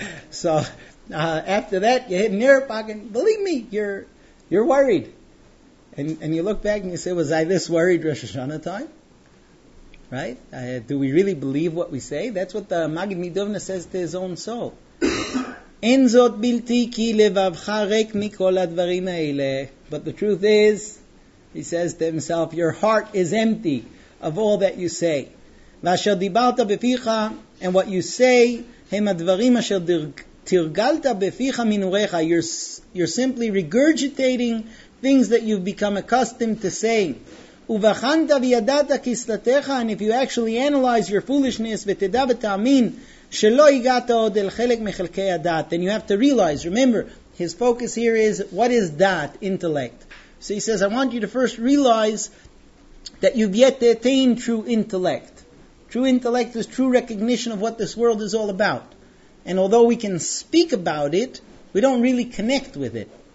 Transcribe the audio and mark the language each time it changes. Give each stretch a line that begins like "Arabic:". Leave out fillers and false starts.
English: So after that, you hit an air pocket. Believe me, you're worried. And you look back and you say, was I this worried Rosh Hashanah time? Right? Do we really believe what we say? That's what the Magen Midubno says to his own soul.
Hebrew: אין זאת בלתי כי לבבך ריק מכל הדברים האלה.
English: But the truth is, he says to himself, your heart is empty of all that you say.
Hebrew: ואשר דיברת בפיך,
English: and what you say,
Hebrew: הם הדברים אשר תרגלת בפיך מנוריך.
English: You're simply regurgitating things that you've become accustomed to saying.
Hebrew: ובחנת וידעת כסלתך,
English: and if you actually analyze your foolishness,
Hebrew: ותדע ותאמין, שלא הגעת עוד אל חלק מחלקי הדעת.
English: And you have to realize, remember, his focus here is, what is that intellect? So he says, I want you to first realize that you've yet to attain true intellect. True intellect is true recognition of what this world is all about. And although we can speak about it, we don't really connect with it.